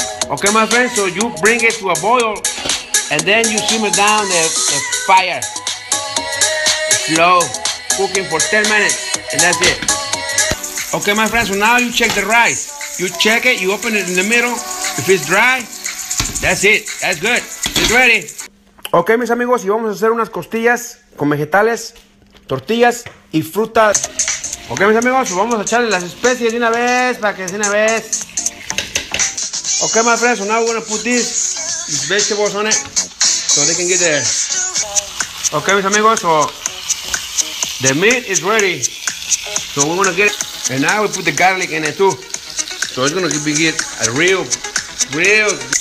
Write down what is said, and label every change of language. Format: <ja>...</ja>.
<en>Okay, my friend, so you bring it to a boil and then you simmer down the fire. Slow, cooking for 10 minutes, and that's it. Okay, my friend, so now you check the rice. You check it, you open it in the middle. If it's dry, that's it. That's good. It's ready.</en> <es>Okay, mis amigos, y vamos a hacer unas costillas con vegetales, tortillas y frutas. Okay, mis amigos, so vamos a echarle las especies de una vez, para que de una vez.</es> <en>Okay, my friends, so now we're gonna put these vegetables on it so they can get there. Okay,</en> <es>mis amigos,</es> <en>so the meat is ready. So we're gonna get it. And now we put the garlic in it too. So it's gonna be get a real, real.</en>